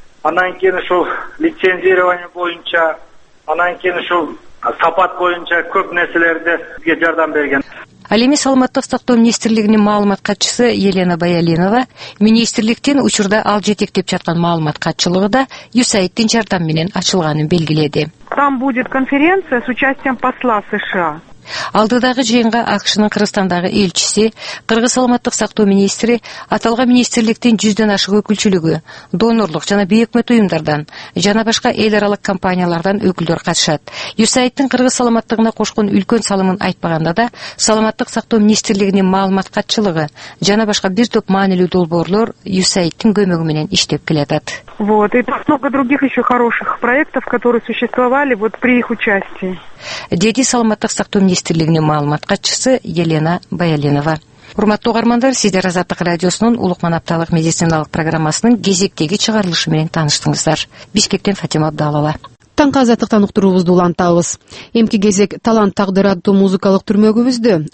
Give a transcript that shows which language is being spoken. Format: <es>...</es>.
<ky>Андан кийин ушул лицензирование боюнча, андан кийин ушул сапат боюнча көп нерселерди бизге жардам берген. Ал эми саламаттык сактоо министрлигинин маалымат катчысы Елена Баялинова министрликтин учурда ал жетектеп жаткан маалымат катчылыгы да USAID'тин жардамы менен ачылганын белгиледи.</ky> <ru>Там будет конференция с участием посла США.</ru> <ky>Алдыдагы жыйынга АКШнын Кыргызстандагы элчиси, Кыргыз саламаттык сактоо министри, аталган министрликтин 100 ашык өкүлчүлүгү, донорлук жана бейөкмөт уюмдардан жана башка эл аралык компаниялардан өкүлдөр катышат. USAID'тин кыргыз саламаттыгына кошкон үлкөн салымын айтпаганда да, саламаттык сактоо министрлигинин маалымат катчылыгы жана башка бир топ маанилүү долбоорлор USAID'тин көмөгү менен иштеп келатат.</ky> <ru>Вот, и так много других еще хороших проектов, которые существовали вот при их участии.</ru> <ky>Деди саламаттык сактоо министрлигинин маалымат катчысы Елена Баялинова. Урматтуу угармандар, сиздер Азаттык радиосунун улук манапталык медициналык программасынын кезектеги чыгарылышы менен тааныштыңыздар. Бишкектен Фатима Абдалова. Таңкы азаттыктан уктуруубузду улантабыз. Эмки кезек Талант тагдыр аттуу музыкалык түрмөгүбүздө.</ky>